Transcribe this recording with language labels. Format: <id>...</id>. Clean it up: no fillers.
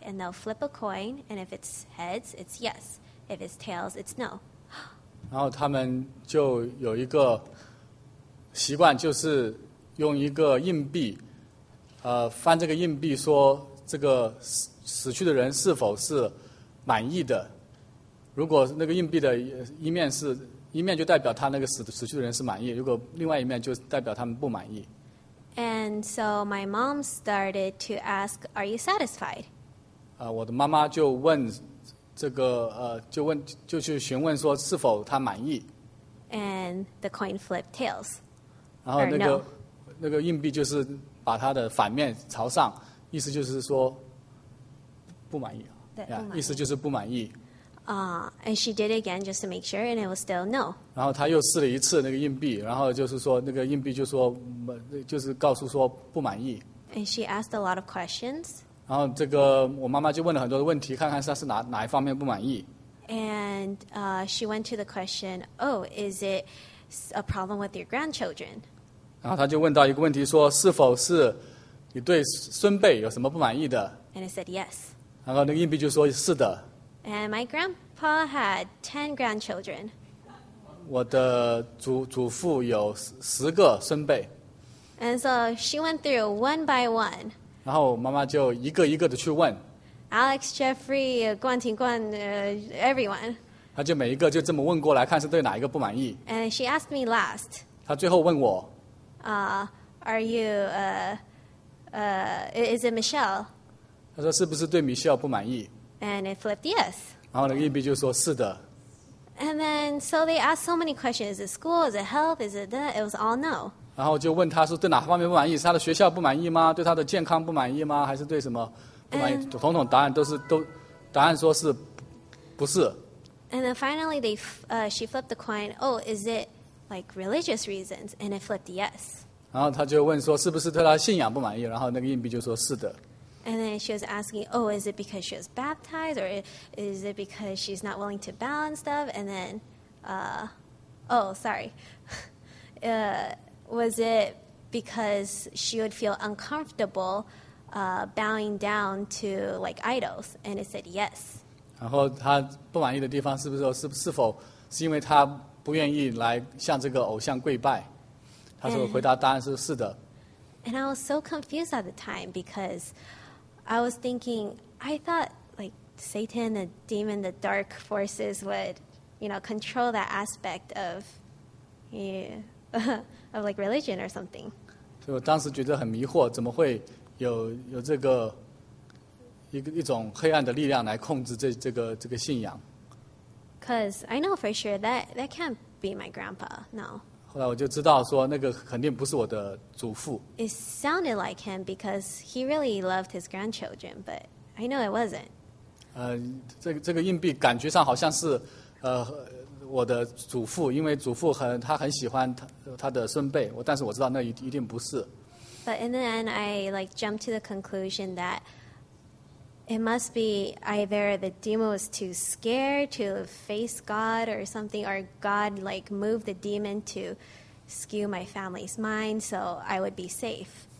<en>And they'll flip a coin, and if it's heads, it's yes. If it's tails, it's no.</en> <zh>然后他们就有一个习惯，就是用一个硬币翻这个硬币说这个 死去的人是否是满意的，如果那个硬币的一面是一面就代表他那个 死去的人是满意，如果另外一面就代表他们不满意。</zh> <en>And so my mom started to ask, are you satisfied?</en> <zh>我的妈妈就问这个就问就去询问说是否他满意。</zh> <en>And the coin flipped tails.</en> <zh>然后那个那个硬币就是把它的反面朝上，意思就是说不满意。</zh> <en>Yeah,</en> <zh>意思就是不满意。</zh> <en>And she did it again just to make sure, and it was still no.</en> <zh>然后他又试了一次那个硬币，然后就是说那个硬币就说就是告诉说不满意。</zh> <en>And she asked a lot of questions.</en> <zh>然后这个我妈妈就问了很多的问题，看看她是哪一方面不满意。</zh> <en>And she went to the question, oh, is it a problem with your grandchildren?</en> <zh>然后她就问到一个问题，说是否是你对孙辈有什么不满意的。</zh> <en>And I said yes.</en> <zh>然后那个硬币就说是的。</zh> <en>And my grandpa had 10 grandchildren.</en> <zh>我的祖父有十个孙辈。</zh> <en>And so she went through one by one.</en> <zh>然后妈妈就一个一个的去问。</zh> <en>Alex, Jeffrey, 冠廷冠, everyone.</en> <zh>她就每一个就这么问过来，看是对哪一个不满意。</zh> <en>And she asked me last.</en> <zh>她最后问我。</zh> <en>Are you, is it Michelle?</en> <zh>她说是不是对 Michelle 不满意。</zh> <en>And it flipped yes.</en> <zh>然后那个硬币就说是的。</zh> <en>And then, so they asked so many questions. Is it school? Is it health? Is it that? It was all no.</en> <zh>然后就问他说对哪方面不满意，是他的学校不满意吗？对他的健康不满意吗？还是对什么不满意？</zh> <en>And,</en> <zh>统统答案都是都，答案说是不是。</zh> <en>And then finally, they, she flipped the coin. Oh, is it like religious reasons? And it flipped yes.</en> <zh>然后他就问说是不是对他信仰不满意？然后那个硬币就说是的。</zh> <en>And then she was asking, oh, is it because she was baptized? Or is it because she's not willing to bow and stuff? And then, was it because she would feel uncomfortable bowing down to like idols? And it said yes.</en> <zh>然后她不满意的地方是不是说 是否是因为她不愿意来向这个偶像跪拜？她说回答答案是是的。</zh> <en>And I was so confused at the time because I was thinking, I thought like Satan, the demon, the dark forces would, you know, control that aspect of, yeah, of like religion or something.</en> <zh>所以我当时觉得很迷惑，怎么会有这个一种黑暗的力量来控制这个信仰？</zh> <en>Because I know for sure that can't be my grandpa, no.</en> <zh>后来我就知道说那个肯定不是我的祖父。</zh> <en>It sounded like him because he really loved his grandchildren, but I know it wasn't.</en> <zh>这个硬币感觉上好像是我的祖父，因为祖父他很喜欢他的孙辈，但是我知道那一定不是。</zh> <en>But in the end, I like jumped to the conclusion that it must be either the demon was too scared to face God or something, or God like moved the demon to skew my family's mind so I would be safe.</en>